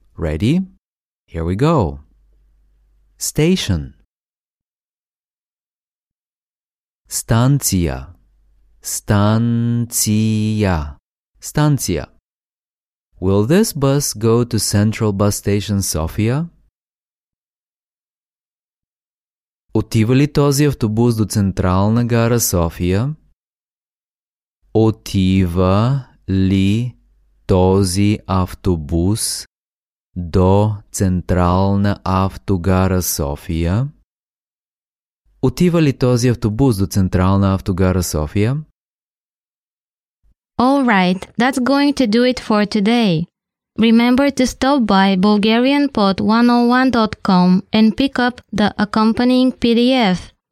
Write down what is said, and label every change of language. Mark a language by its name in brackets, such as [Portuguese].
[English] Ready? Here we go. Station. [Bulgarian] Станция. Станция. Станция. [English] Will this bus go to Central Bus Station Sofia? [Bulgarian] Отива ли този автобус до Централна гара София? Отива ли този автобус до Централна автогара София? Отива ли този автобус до Централна автогара София? [English] All right, that's going to do it for today. Remember to stop by bulgarianpod101.com and pick up the accompanying PDF.